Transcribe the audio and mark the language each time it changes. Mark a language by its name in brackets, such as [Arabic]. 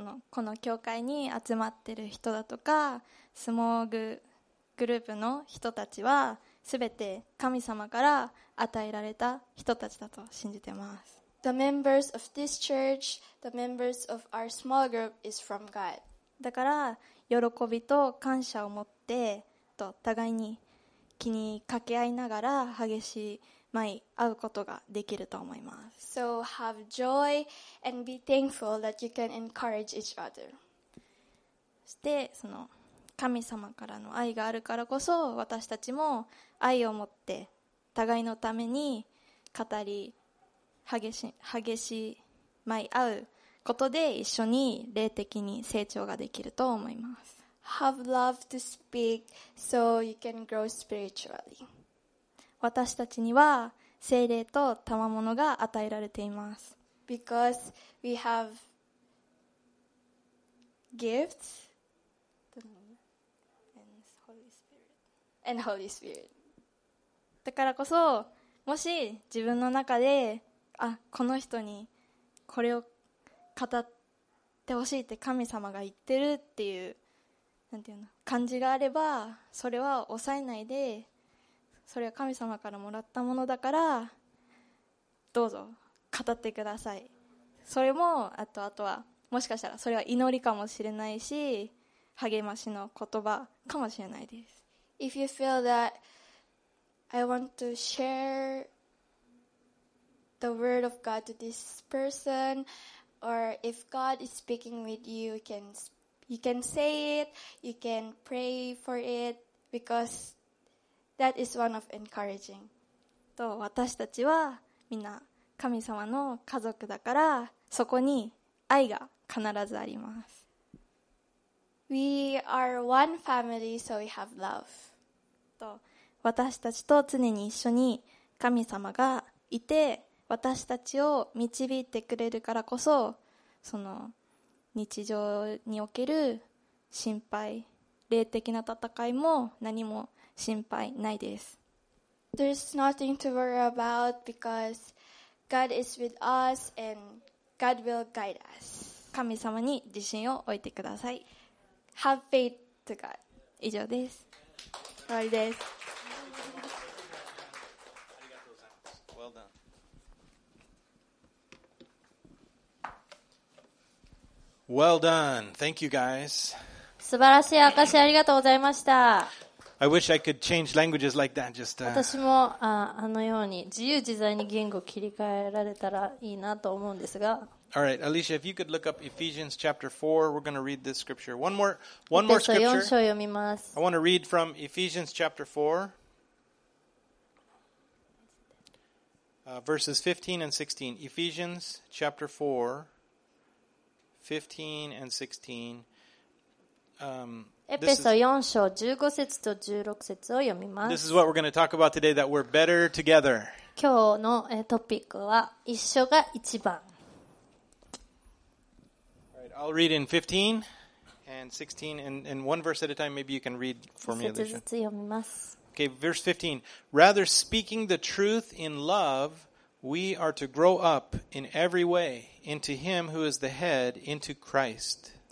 [Japanese] この教会に集まってる人だとか、スモーグループの人たちは、すべて神様から与えられた人たちだと信じてます。 [English] The members of this church, the members of our small group is from God. [Japanese] だから、喜びと感謝を持って、と互いに気にかけ合いながら、激しい会うことができると思います。 [English] So have joy and be thankful that you can encourage each other. [Japanese] そして、その神様からの愛があるからこそ、私たちも愛を持って互いのために語り、激しい会うことで一緒に霊的に成長ができると思います。 [English] Have love to speak so you can grow spiritually. [Japanese] 私たちには聖霊と賜物が与えられています。 [English] Because we have gifts and Holy Spirit. [Japanese] だからこそ、もし自分の中で、あ、この人にこれを語ってほしいって神様が言ってるっていう、なんていうの、感じがあれば、それは抑えないで、それは神様からもらったものだから、どうぞ語ってください。それもあとはもしかしたらそれは祈りかもしれないし、励ましの言葉かもしれないです。 [English] If you feel that I want to share the word of God to this person, or if God is speaking with you, you can say it, you can pray for it, becauseThat is one of encouraging. [Japanese] と、私たちはみんな神様の家族だから、そこに愛が必ずあります。 [English] We are one family, so we have love. [Japanese] と、私たちと常に一緒に神様がいて、私たちを導いてくれるからこそ、その日常における心配、霊的な戦いも何も心配ないです。 [English] There's nothing to worry about because God is with us and God will guide us. [Japanese] 神様に自信を置いてください。 [English] Have faith to God. [Japanese] 以上です。終わりです。 [English] Well done. Thank you guys. [Japanese] 素晴らしい証しありがとうございました。 [English] I wish I could change languages like that. Just, [Japanese] 私もあのように自由自在に言語を切り替えられたらいいなと思うんですが。 [English] All right, Alicia, if you could look up Ephesians chapter 4, we're going to read this scripture. One more scripture. I want to read from Ephesians chapter 4, verses 15 and 16. Ephesians chapter 4, 15 and 16. This is what we're going to talk about today, that we're better together. [Japanese] 今日の、トピックは一緒が一番。 [English] Alright, I'll read in 15 and 16 and one verse at a time. Maybe you can read for me, Alicia. [Japanese] 一節ずつ読みます。 [English] Okay, verse 15. Rather speaking the truth in love, we are to grow up in every way into him who is the head, into Christ.